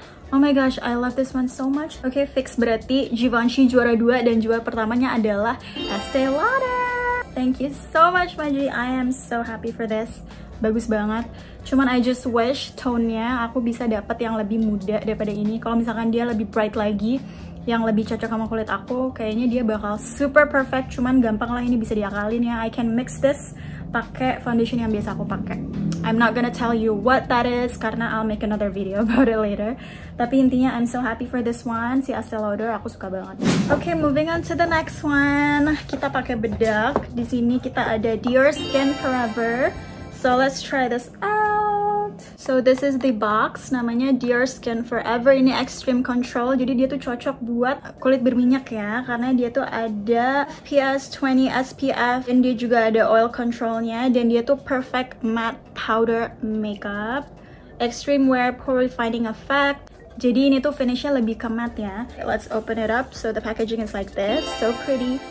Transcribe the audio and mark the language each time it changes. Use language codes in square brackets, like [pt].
[en] Oh my gosh, I love this one so much. [id] Okay, fix berarti Givenchy juara 2 dan juara pertamanya adalah Estee Lauder. [en] Thank you so much, Maji. I am so happy for this. [id] Bagus banget. Cuman [en] I just wish [id] tone-nya aku bisa dapat yang lebih muda daripada ini. Kalau misalkan dia lebih bright lagi, yang lebih cocok sama kulit aku, kayaknya dia bakal super perfect. Cuman gampang lah, ini bisa diakalin ya. [en] I can mix this [id] pakai foundation yang biasa aku pakai. [en] I'm not gonna tell you what that is karena I'll make another video about it later. [id] Tapi intinya [en] I'm so happy for this one, [id] si Estee Lauder, aku suka banget. [en] Okay, moving on to the next one. [id] Kita pakai bedak. Di sini kita ada [en] Dior Skin Forever. So let's try this out. So this is the box, [id] namanya Dior Skin Forever. Ini extreme control, jadi dia tuh cocok buat kulit berminyak ya, karena dia tuh ada SPF 20, SPF, dan dia juga ada oil controlnya, dan dia tuh perfect matte powder makeup, extreme wear pore refining effect. Jadi ini tuh finishnya lebih ke matte ya. [en] Let's open it up. So the packaging is like this, so pretty.